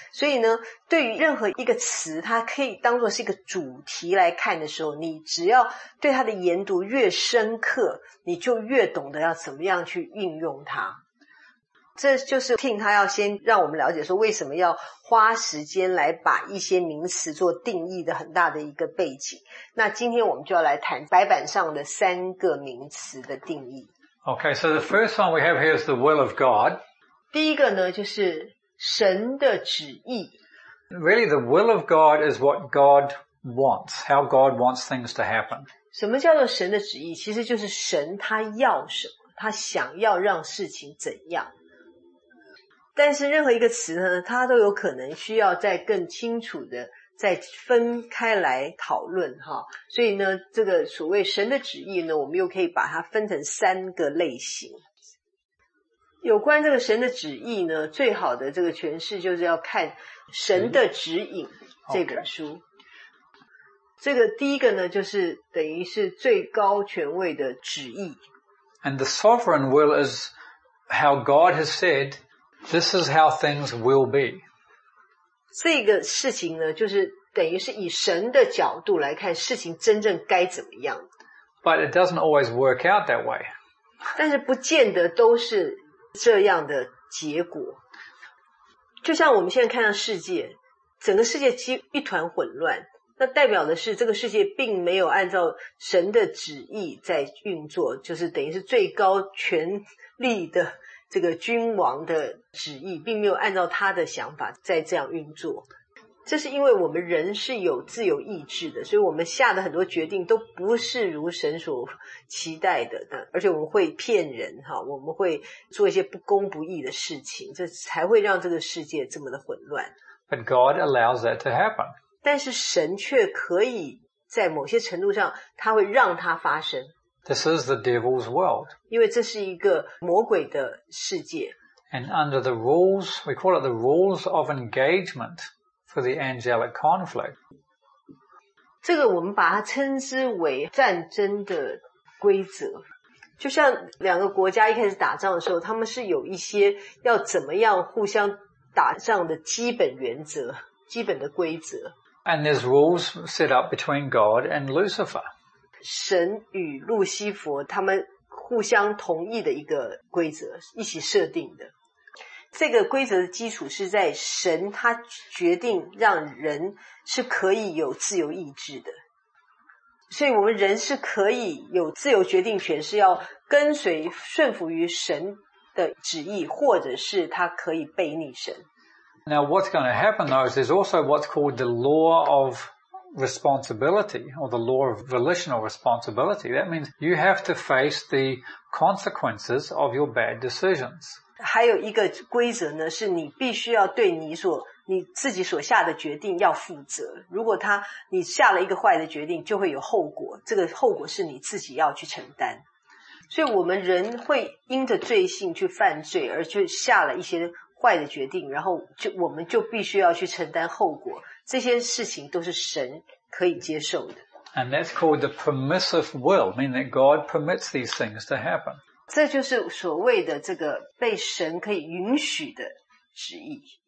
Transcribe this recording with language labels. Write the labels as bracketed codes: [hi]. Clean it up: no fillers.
[zh] 所以呢，对于任何一个词，它可以当作是一个主题来看的时候，你只要对它的研读越深刻，你就越懂得要怎么样去运用它。这就是听他要先让我们了解说，为什么要花时间来把一些名词做定义的很大的一个背景。那今天我们就要来谈白板上的三个名词的定义。 [en] Okay, so the first one we have here is the will of God. [zh] 第一个呢，就是神的旨意。 [en] Really, the will of God is what God wants, how God wants things to happen. [zh] 什么叫做神的旨意？其实就是神他要什么，他想要让事情怎样。但是任何一个词呢，它都有可能需要再更清楚的再分开来讨论哈。所以呢，这个所谓神的旨意呢，我们又可以把它分成三个类型。有关这个神的旨意呢，最好的这个诠释就是要看《神的指引》这本书。这个第一个呢，就是等于是最高权位的旨意。 [en] And the sovereign will is how God has said. This is how things will be. [zh] 这个事情呢，就是等于是以神的角度来看事情真正该怎么样。 [en] But it doesn't always work out that way. [zh] 但是不见得都是这样的结果。就像我们现在看到世界，整个世界一团混乱，那代表的是这个世界并没有按照神的旨意在运作，就是等于是最高权力的这个君王的旨意并没有按照他的想法再这样运作。这是因为我们人是有自由意志的，所以我们下的很多决定都不是如神所期待的，而且我们会骗人，我们会做一些不公不义的事情，这才会让这个世界这么的混乱。 [en] But God allows that to happen. [zh] 但是神却可以在某些程度上他会让它发生。 [en] This is the devil's world. [zh] 因为这是一个魔鬼的世界。 [en] And under the rules, we call it the rules of engagement for the angelic conflict. [zh] 这个我们把它称之为战争的规则。就像两个国家一开始打仗的时候，他们是有一些要怎么样互相打仗的基本原则，基本的规则。 [en] And there's rules set up between God and Lucifer. [zh] 神与路西佛他们互相同意的一个规则，一起设定的。这个规则的基础是在神他决定让人是可以有自由意志的，所以我们人是可以有自由决定权，是要跟随顺服于神的旨意，或者是他可以背逆神。 [en] Now what's going to happen though is there's also what's called the law ofresponsibility, or the law of volitional responsibility. That means you have to face the consequences of your bad decisions. [zh] 还有一个规则呢，是你必须要对你自己所下的决定要负责。如果你下了一个坏的决定，就会有后果，这个后果是你自己要去承担。所以我们人会因着罪性去犯罪，而就下了一些坏的决定，然后我们就必须要去承担后果。这些事情都是神可以接受的。 [en] And that's called the permissive will, meaning that God permits these things to happen. [zh] 这就是所谓的这个被神可以允许的旨意。